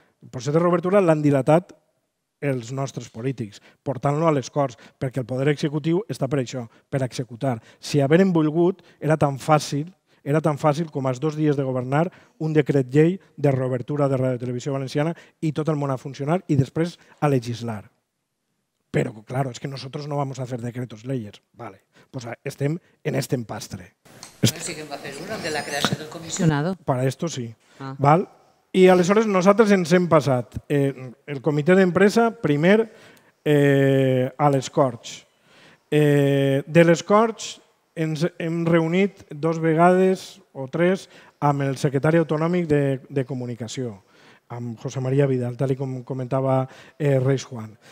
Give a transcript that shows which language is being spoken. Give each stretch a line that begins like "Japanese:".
Catalan: El procés de reobertura l'han dilatat els nostres polítics, portant-lo a les Corts, perquè el poder executiu està per això, per executar. Si haguessin volgut, era tan fàcil com els dos dies de governar un decret llei de reobertura de Ràdio Televisió Valenciana i tot el món a funcionar i després a legislar. Però, clar, és que nosaltres no
Spanish: vamos
Catalan: a fer
Spanish: decretos leyes.
Catalan: Vale. Pues estem en
Spanish: este
Catalan: empastre. Sí que en va fer una de la creació del comissionado.
Spanish: Para esto sí. Ah. Val?
Catalan: I aleshores nosaltres ens hem passat el comitè d'empresa primer a les Corts. De les Corts ens hem reunit dos vegades o tres amb el secretari autonòmic de comunicació, amb José María Vidal, tal com comentava Reis Juan.